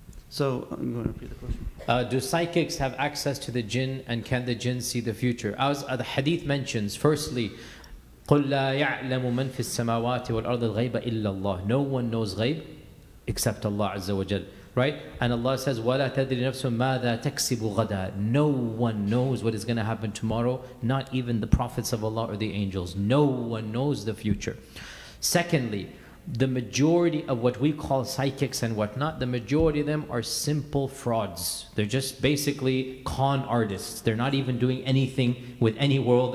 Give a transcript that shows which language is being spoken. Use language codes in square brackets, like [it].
[en] So, I'm going to repeat the question. Do psychics have access to the jinn, and can the jinn see the future? As the hadith mentions, firstly, [ar] قُلْ لَا يَعْلَمُ مَنْ فِي السَّمَاوَاتِ وَالْأَرْضِ الْغَيْبَ إِلَّا اللَّهِ. [en] No one knows ghayb except Allah Azza wa Jal. Right? And Allah says, [ar] وَلَا تَدْرِ نَفْسُ مَاذَا تَكْسِبُ غَدَى. [en] No one knows what is going to happen tomorrow, not even the prophets of Allah or the angels. No one knows the future. Secondly, the majority of what we call psychics and whatnot, the majority of them are simple frauds. They're just basically con artists. They're not even doing anything with any world.